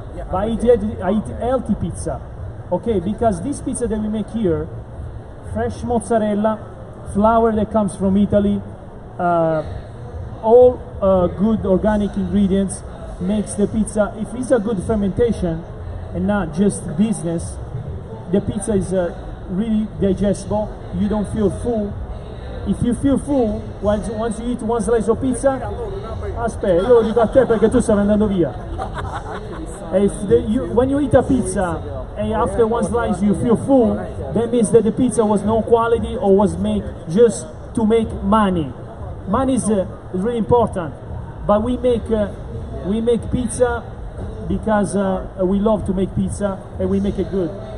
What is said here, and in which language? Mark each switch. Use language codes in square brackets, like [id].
[en] But I eat healthy pizza. Okay? Because this pizza that we make here, fresh mozzarella, flour that comes from Italy, all good organic ingredients, makes the pizza. If it's a good fermentation and not just business, the pizza is really digestible. You don't feel full. If you feel full once you eat one slice of pizza, [it] aspetta, io lo dico a te perché tu stai andando via. [en] When you eat a pizza and after one slice you feel full, that means that the pizza was no quality or was made just to make money. Money is really important, but we make pizza because we love to make pizza and we make it good.